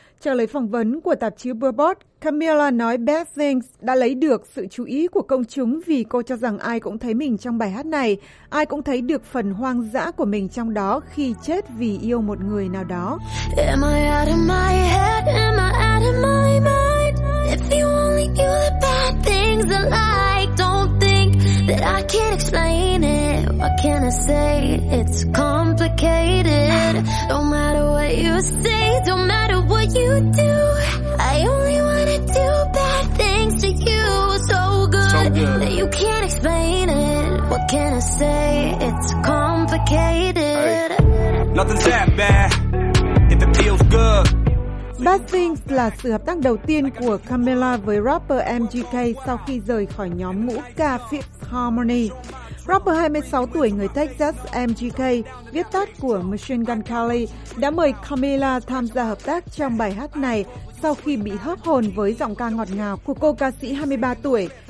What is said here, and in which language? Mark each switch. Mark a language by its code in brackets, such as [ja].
[vi] Trả lời phỏng vấn của tạp chí Billboard, Camila nói Bad Things đã lấy được sự chú ý của công chúng vì cô cho rằng ai cũng thấy mình trong bài hát này, ai cũng thấy được phần hoang dã của mình trong đó khi chết vì yêu một người nào đó. [en] Am I out of my head? Am I out of my mind? If you only knew the bad things I like, don't think that I can't explain it. What can I say? It's complicated. Don't matter what you say, don't matter what you do. I only wanna do bad things to you. So good that you can't explain it. What can I say? It's complicated. Hey. Nothing's that bad if it feels good. [vi] Bad Things là sự hợp tác đầu tiên của Camila với rapper MGK sau khi rời khỏi nhóm ngũ ca Fifth Harmony. Rapper 26 tuổi người Texas MGK, viết tắt của Machine Gun Kelly, đã mời Camila tham gia hợp tác trong bài hát này sau khi bị hớp hồn với giọng ca ngọt ngào của cô ca sĩ 23 tuổi.